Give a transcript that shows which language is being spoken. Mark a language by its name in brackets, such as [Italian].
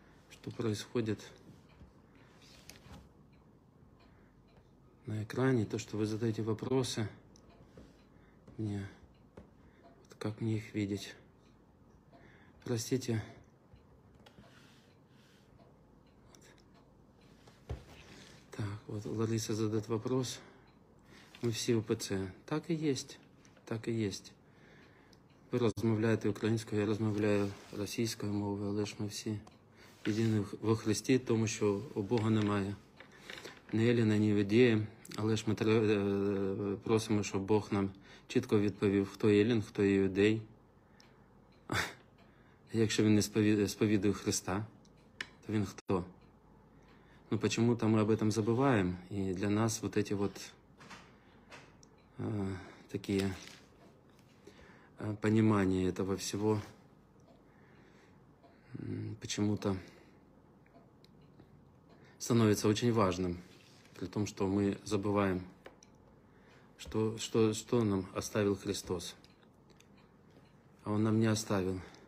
[Russian] Что происходит на экране, то, что вы задаете вопросы мне. Вот как мне их видеть? Простите. Так, вот Лариса задает вопрос. Мы все ОПЦ. Так и есть. Так и есть. [Ukrainian] Вы размовляете украинскую, я размовляю російською мовою, але ж ми всі єдині во Христі, тому що у Бога немає ні еліна, ні ідеї. Але ж ми просимо, щоб Бог нам чітко відповів, хто елін, хто іудей. Якщо він не сповідує Христа, то він хто? Ну, чому-то ми [Russian] об этом [Ukrainian] забуваємо. І для нас [Russian] вот эти вот такие понимания этого всего почему-то становится очень важным, при том, что мы забываем, что нам оставил Христос. А Он нам не оставил.